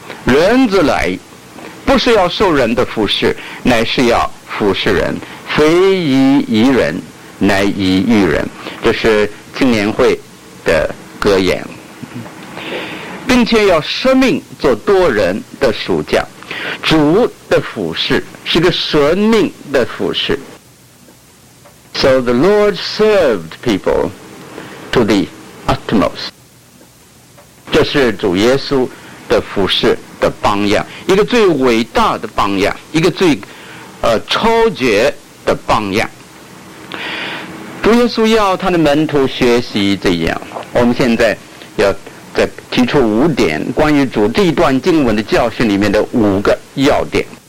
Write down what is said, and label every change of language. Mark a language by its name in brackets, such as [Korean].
[Chinese] 人子来不是要受人的服侍，乃是要服侍人，非以宜人乃以育人。这是青年会的格言。并且要舍命做多人的属价。主的服侍是个舍命的服侍。 [English] So the Lord served people to the utmost. [Chinese] 这是主耶稣的服事的榜样，一个最伟大的榜样，一个最超绝的榜样。主耶稣要他的门徒学习这样。我们现在要再提出五点关于主这一段经文的教训里面的五个要点。